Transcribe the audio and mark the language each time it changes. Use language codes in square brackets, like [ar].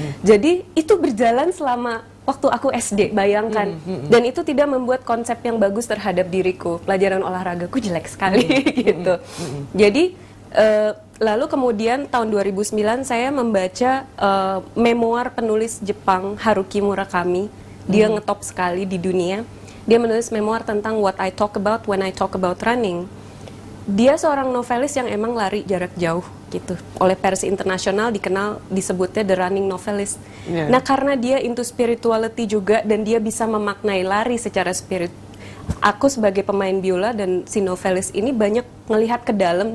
[id] Jadi itu berjalan selama waktu aku SD, bayangkan. Dan itu tidak membuat konsep yang bagus terhadap diriku. Pelajaran olahragaku jelek sekali gitu. Jadi lalu kemudian tahun 2009 saya membaca memoir penulis Jepang Haruki Murakami. Dia ngetop sekali di dunia. Dia menulis memoir tentang [en] what I talk about when I talk about running. [id] Dia seorang novelis yang emang lari jarak jauh gitu. Oleh pers internasional dikenal disebutnya [en] the running novelist. [id] Yeah. Nah, karena dia [en] into spirituality [id] juga dan dia bisa memaknai lari secara spirit. Aku sebagai pemain biola dan si novelis ini banyak ngelihat ke dalam.